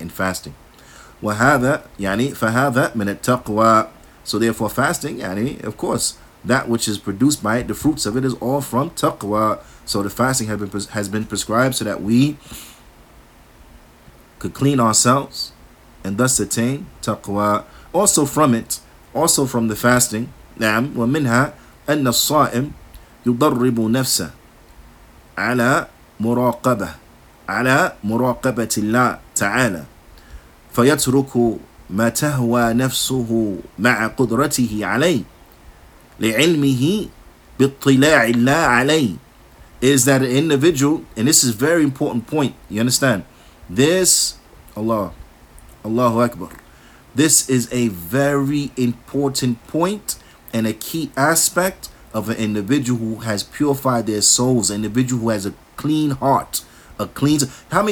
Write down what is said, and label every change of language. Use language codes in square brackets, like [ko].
[en] In fasting. [ar] وَهَذَا يَعْنِي فَهَذَا مِنَ التَّقْوَى. [en] So therefore fasting, of course, that which is produced by it, the fruits of it, is all from taqwa. So the fasting has been prescribed so that we could clean ourselves and thus attain taqwa. Also from it, also from the fasting, [ar] نعم وَمِنْهَا أَنَّ الصَّائِمْ يُضَرِّبُ نَفْسَ عَلَى مراقبة على مراقبة الله تعالى فيترك ما تهوى نفسه مع قدرته عليه لعلمه بالطلاع الله عليه. [en] Is that an individual, and this is a very important point, you understand? This, Allahu Akbar, this is a very important point and a key aspect of an individual who has purified their souls, an individual who has a clean heart, a clean. How many?